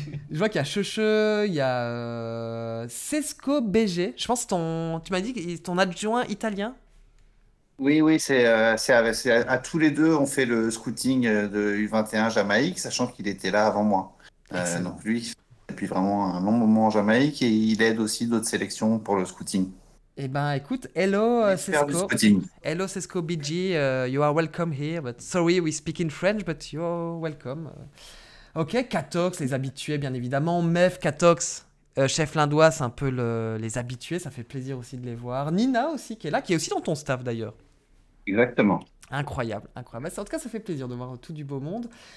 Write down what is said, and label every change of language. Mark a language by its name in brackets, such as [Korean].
[French] Je vois qu'il y a Cheche, il y a Cesco BG, je pense que tu m'as dit que c'est ton adjoint italien. Oui, c'est à tous les deux, on fait le scouting de U21 Jamaïque, sachant qu'il était là avant moi. Donc lui, depuis vraiment un long moment en Jamaïque, et il aide aussi d'autres sélections pour le scouting. Eh bien, écoute, [English] hello Cesco BG, you are welcome here, but sorry we speak in French, but you're welcome. [French] Ok, Katox, les habitués, bien évidemment. Mef, Katox, chef lindois, c'est un peu les habitués. Ça fait plaisir aussi de les voir. Nina aussi, qui est là, qui est aussi dans ton staff, d'ailleurs. Exactement. Incroyable, incroyable. En tout cas, ça fait plaisir de voir tout du beau monde.